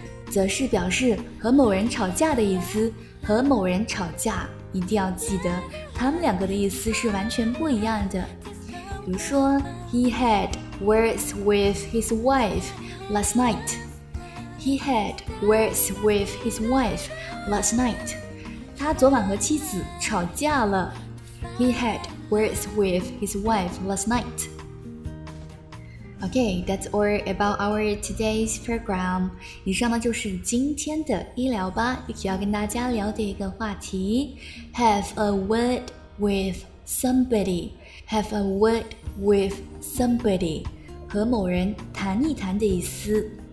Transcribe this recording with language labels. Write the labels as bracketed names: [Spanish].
[Chinese] 则是表示和某人吵架的意思，和某人吵架一定要记得，他们两个的意思是完全不一样的。比如说 [English] He had words with his wife last night. He had words with his wife last night. [Chinese] 他昨晚和妻子吵架了。 [English] He had words with his wife last night. Okay, that's all about our today's program. [Chinese] 以上呢就是今天的医疗吧，一起要跟大家聊的一个话题。 [English] Have a word with somebody. Have a word with somebody, [Chinese] 和某人谈一谈的意思。